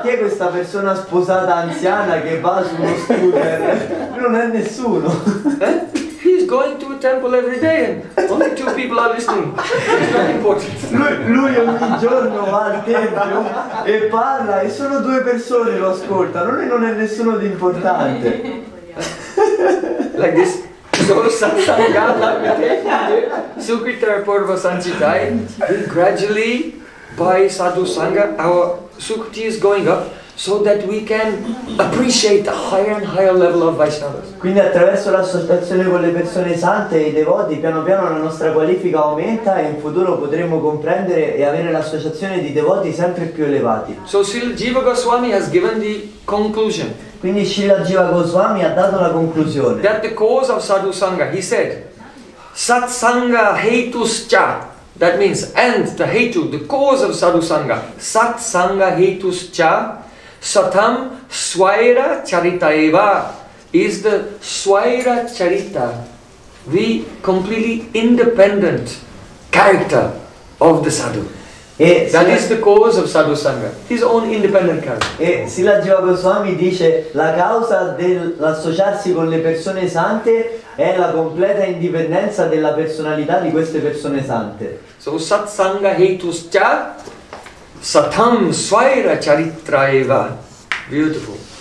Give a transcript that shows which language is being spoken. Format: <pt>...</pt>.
<it>Chi è questa persona sposata anziana che va su uno scooter? Non è nessuno.</it> <en>He's going to a temple every day and only two people are listening. It's not important.</en> <it>Lui ogni giorno va al tempio e parla e solo due persone lo ascoltano. Lui non è nessuno di importante.</it> <en>Like this. So Sukhitarapurva Sanchitai, gradually by Sadhu Sangha, our Sukhti is going up so that we can appreciate the higher and higher level of Vaishnavas.</en> <it>Quindi attraverso l'associazione con le persone sante e i devoti, piano piano la nostra qualifica aumenta e in futuro potremo comprendere e avere l'associazione di devoti sempre più elevati.</it> <en>So Srila Jiva Goswami has given the conclusion.</en> <it>Quindi Srila Jiva Goswami ha dato la conclusione.</it> <en>That the cause of Sadhu Sangha, he said,</en> <sa>Satsanga Hetuscha.</sa> <en>That means, and the Hetu, the cause of Sadhu Sangha,</en> <sa>Satsanga Hetuscha, Satam Swaira Charita Eva,</sa> <en>is the Swaira Charita, the completely independent character of the Sadhu. That is the cause of Sadhu Sangha, his own independent character.</en> <it>E Srila Jiva Goswami dice, la causa dell'associarsi con le persone sante è la completa indipendenza della personalità di queste persone sante.</it> <sa>So Satsanga Hetuscha, Satam Swaira Charitra Eva.</sa> <en>Beautiful.</en>